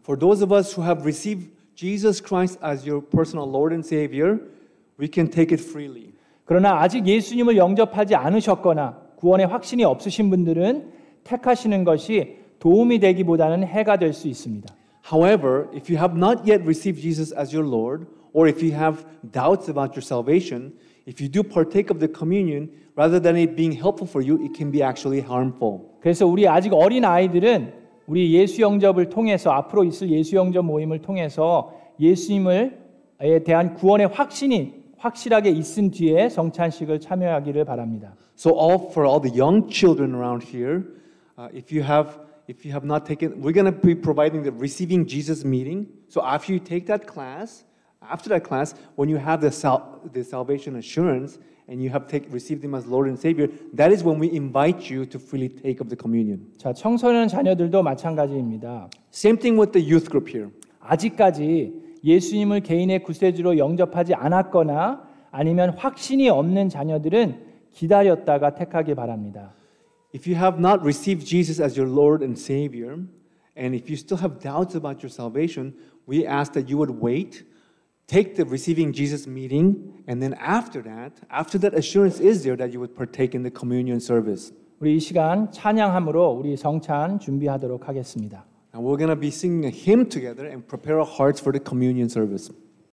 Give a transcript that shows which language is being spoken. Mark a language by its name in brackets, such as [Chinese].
[English] For those of us who have received Jesus Christ as your personal Lord and Savior, we can take it freely. [Korean] 그러나 아직 예수님을 영접하지 않으셨거나 구원의 확신이 없으신 분들은 택하시는 것이 도움이 되기보다는 해가 될 수 있습니다. [English] However, if you have not yet received Jesus as your Lord, or if you have doubts about your salvation, if you do partake of the communion, rather than it being helpful for you, it can be actually harmful. [Korean] 그래서 우리 아직 어린 아이들은 우리 예수 영접을 통해서 앞으로 있을 예수 영접 모임을 통해서 예수님에 대한 구원의 확신이 확실하게 있은 뒤에 성찬식을 참여하기를 바랍니다. [English] So all for all the young children around here, if you have not taken, we're going to be providing the receiving Jesus meeting. So after you take that class. After that class, when you have the salvation assurance and you have received him as Lord and Savior, that is when we invite you to freely take of the communion. [Korean] 자, 청소년 자녀들도 마찬가지입니다. [English] Same thing with the youth group here. [Korean] 아직까지 예수님을 개인의 구세주로 영접하지 않았거나 아니면 확신이 없는 자녀들은 기다렸다가 택하기 바랍니다. [English] If you have not received Jesus as your Lord and Savior, And if you still have doubts about your salvation, we ask that you would wait, take the receiving Jesus meeting, and then after that assurance is there, that you would partake in the communion service. [Korean] 우리 이 시간 찬양함으로 우리 성찬 준비하도록 하겠습니다. [English] And we're going to be singing a hymn together and prepare our hearts for the communion service.